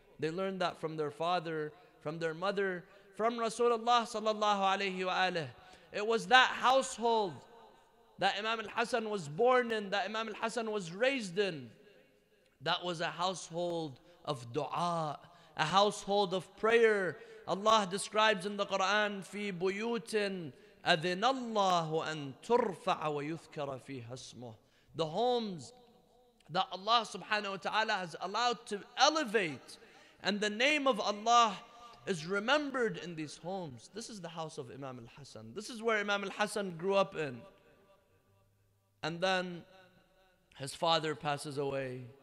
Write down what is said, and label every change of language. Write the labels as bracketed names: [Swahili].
[English] They learned that from their father, from their mother, from Rasulullah sallallahu alayhi wa alayhi. It was that household that Imam al-Hasan was born in, that Imam al-Hasan was raised in, that was a household of dua, a household of prayer. [Arabic] Allah describes in the Quran, في بيوت أذن الله أن ترفع ويذكر فيها اسمه. [English] The homes that Allah subhanahu wa ta'ala has allowed to elevate, and the name of Allah is remembered in these homes. This is the house of Imam al-Hasan. This is where Imam al-Hasan grew up in. And then his father passes away.